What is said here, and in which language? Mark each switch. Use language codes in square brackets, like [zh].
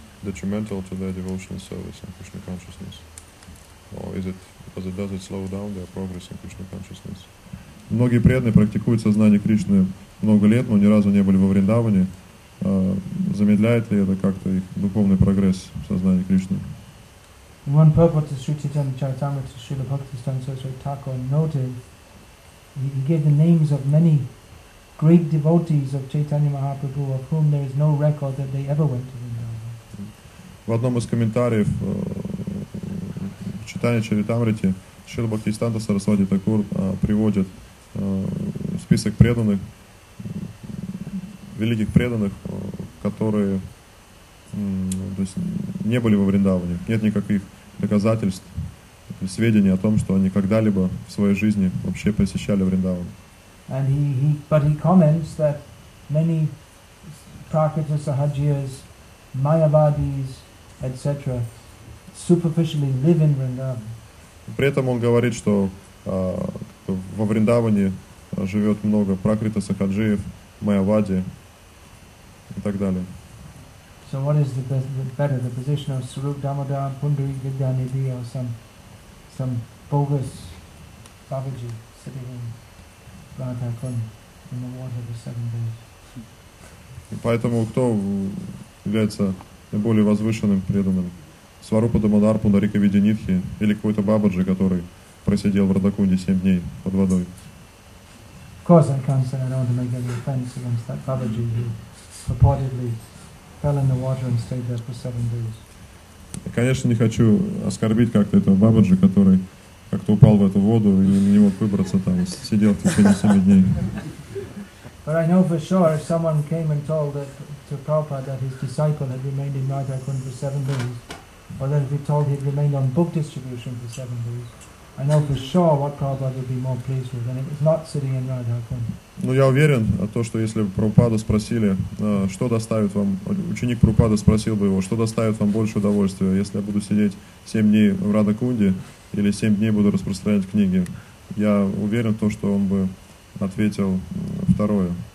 [en] detrimental to their devotional service and Krishna consciousness? Or is it, does it slow down their progress in Krishna consciousness? [ru] Многие преданные практикуют сознание Кришны много лет, но ни разу не были во Вриндаване. Замедляет ли это как-то их духовный прогресс в сознании Кришны? [en] One purport of Sri Chaitanya Charitamrita, Srila Bhaktisiddhanta Saraswati Thakur noted, he gave the names of many great devotees of Chaitanya Mahaprabhu, of whom there is no record that they ever went to Vrindavan. [ru] В одном из комментариев Chaitanya Charitamrita, Srila Bhaktisiddhanta Saraswati Thakur приводит список преданных, великих преданных, которые то есть, не были во Вриндаване. Нет никаких доказательств, сведений о том, что они когда-либо в своей жизни вообще посещали Вриндаван. [en] And he, but he comments that many Prakriti Sahajiyas, Mayavadis, etc. superficially live in Vrindavan. [ru] При этом он говорит, что во Вриндаване живет много Пракрита Сахаджиев, Майавади и так далее. [en] So what is the better, the position of Sarup Damodar, Pundarik Vidyanidhi or some bogus Babaji sitting in Radhakund in the water for 7 days? [ru] Поэтому кто является наиболее возвышенным преданным? Сварупа Дамодар, Пундарика Видянидхи или какой-то Бабаджи, который просидел в Радхакунде 7 дней под водой? [en] Of course, I can't say I don't want to make any offense against that Babaji who purportedly fell in the water and stayed there for 7 days. [ru] Конечно, не хочу оскорбить как-то этого Бабаджи, который как-то упал в эту воду и не мог выбраться там, сидел в течение 7 дней. [en] But I know for sure if someone came and told that to Prabhupada that his disciple had remained in Radhakund for 7 days, or that if he told he'd remained on book distribution for 7 days. I know for sure what Prabhupada would be more pleased with, and it was not sitting in Radhakund. [ru] Ну, я уверен, то, что если бы Прабхупада спросили, что доставит вам, ученик Прабхупада спросил бы его, что доставит вам больше удовольствия, если я буду сидеть 7 дней в Радхакунде или 7 дней буду распространять книги. Я уверен в том, что он бы ответил второе.